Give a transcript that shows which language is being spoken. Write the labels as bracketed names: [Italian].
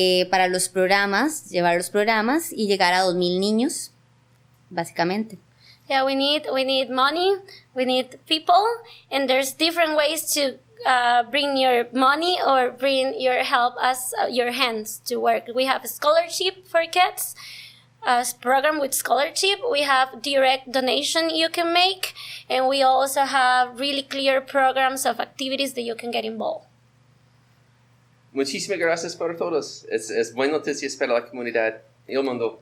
[Spanish] Para los programas, llevar los programas y llegar a 2,000 niños, básicamente. [English] Yeah, we need money, we need people, and there's different ways to bring your money or bring your help as your hands to work. We have a scholarship for kids, a program with scholarship. We have direct donation you can make, and we also have really clear programs of activities that you can get involved. [Spanish] Muchísimas gracias para todos. Es buena noticia para la comunidad y el mundo.